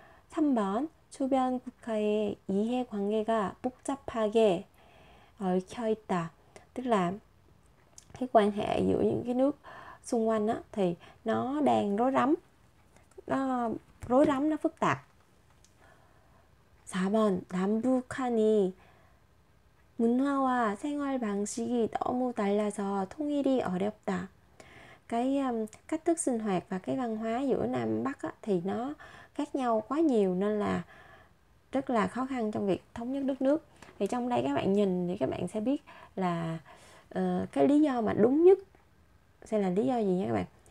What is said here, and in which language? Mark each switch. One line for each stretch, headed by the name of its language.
Korean: 3번, 주변 국가의 이해 관계가 복잡하게 얽혀 있다,
Vietnamese: tức là cái quan hệ giữa những cái nước xung quanh á thì nó đang rối rắm, nó phức tạp.
Korean: 4번 남북한이 문화와 생활 방식이 너무 달라서 통일이 어렵다.
Vietnamese: Cái cách thức sinh hoạt và cái văn hóa giữa Nam Bắc á, thì nó khác nhau quá nhiều nên là rất là khó khăn trong việc thống nhất đất nước. Thì trong đây các bạn nhìn thì các bạn sẽ biết là cái lý do mà đúng nhất sẽ là lý do gì nha các bạn.